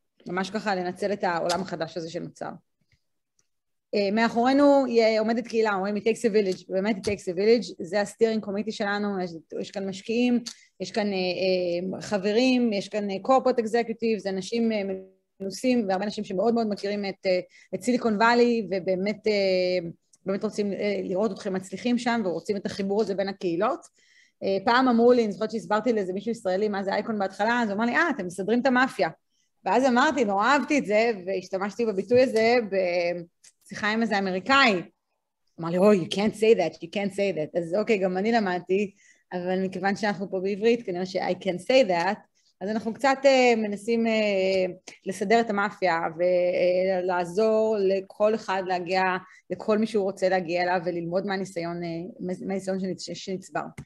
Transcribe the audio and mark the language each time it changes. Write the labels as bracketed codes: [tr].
[he] ממש ככה לנצל את העולם החדש הזה שנוצר. מאחורינו עומדת קהילה, אומרים, [en] it takes a village, [he] באמת it takes a village, זה הסטירינג קומיטי שלנו, יש כאן משקיעים, יש כאן חברים, יש כאן [en] corporate executives, [he] זה אנשים מנוסים, והרבה אנשים שמאוד מאוד מכירים את סיליקון ואלי, ובאמת באמת רוצים לראות אתכם מצליחים שם, ורוצים את החיבור הזה בין הקהילות. פעם אמרו לי, אני זוכרת שהסברתי לזה מישהו ישראלי, מה זה אייקון בהתחלה, אז אמר לי, אתם מסדרים את המאפיה. ואז אמרתי, נורא אהבתי את זה, והשתמשתי בביטוי הזה בשיחה עם איזה אמריקאי. [en] אמר לי, oh, you can't say that, you can't say that. [he] אז אוקיי, גם אני למדתי, אבל מכיוון שאנחנו פה בעברית, כנראה ש- [en] I can't say that, [he] אז אנחנו קצת מנסים לסדר את המאפיה, ולעזור לכל אחד להגיע, לכל מי שהוא רוצה להגיע אליו, וללמוד מהניסיון שנצבר.